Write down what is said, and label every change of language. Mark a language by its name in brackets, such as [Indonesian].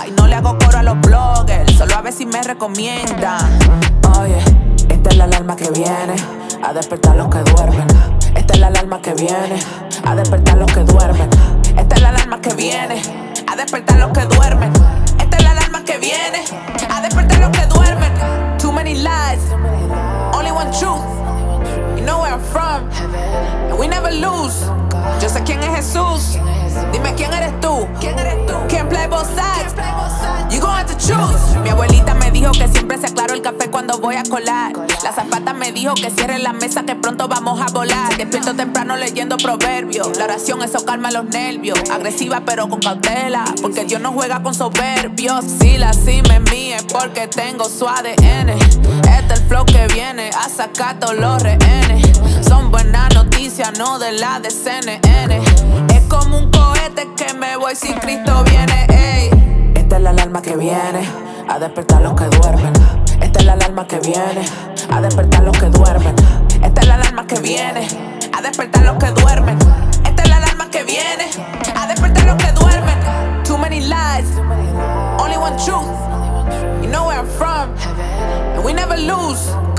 [Spanish] Y no le hago coro a los bloggers, solo a ver si me recomiendan. Oye, esta es la alarma que viene a despertar los que duermen. Esta es la alarma que viene a despertar los que duermen. Esta es la alarma que viene a despertar los que duermen. Esta es la alarma que viene a despertar los que duermen. [English] Too many lies, only one truth. You know where I'm from, and we never lose. [Spanish] Yo sé quién es Jesús. Dime quién eres tú. [English] Can't play both sides. You gonna have to choose. [Spanish] Mi abuelita me dijo que siempre se aclaro el café cuando voy a colar. La zapata me dijo que cierre la mesa que pronto vamos a volar. Despierto temprano leyendo proverbios. La oración eso calma los nervios. Agresiva pero con cautela, porque Dios no juega con soberbios. Si la cime mía es porque tengo su ADN. Este es el flow que viene a sacar todos los rehenes. Son buenas noticias, no de la de CNN. Es como un cohete que me voy si Cristo viene, ey. Esta es la alarma que viene a despertar los que duermen. Esta es la alarma que viene a despertar los que duermen. Esta es la alarma que viene a despertar los que duermen. Esta es la alarma que viene a despertar los que duermen. [English] Too many lies, only one truth. You know where I'm from, and we never lose.